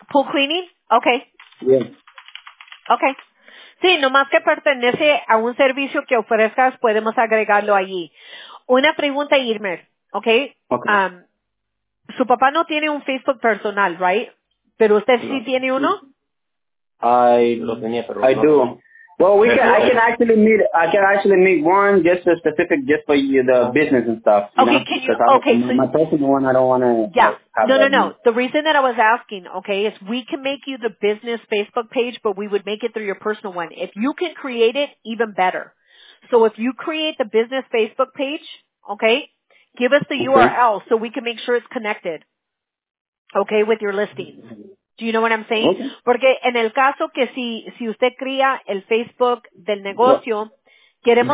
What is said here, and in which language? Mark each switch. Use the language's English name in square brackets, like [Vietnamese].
[English] Pool cleaning. Okay. [Spanish] Bien. Okay. Sí, nomás que pertenece a un servicio que ofrezcas, podemos agregarlo allí. Una pregunta, Irmer, ¿okay? Okay. Su papá no tiene un Facebook personal, ¿right? ¿Pero usted sí tiene uno? [English] Well, I can actually meet one just for the business and stuff. No. The reason that I was asking, okay, is we can make you the business Facebook page, but we would make it through your personal one. If you can create it, even better. So if you create the business Facebook page, okay, give us the URL so we can make sure it's connected, okay, with your listings. Do you know what I'm saying? Okay. [Spanish] Porque en el caso que si usted crea el Facebook del negocio, queremos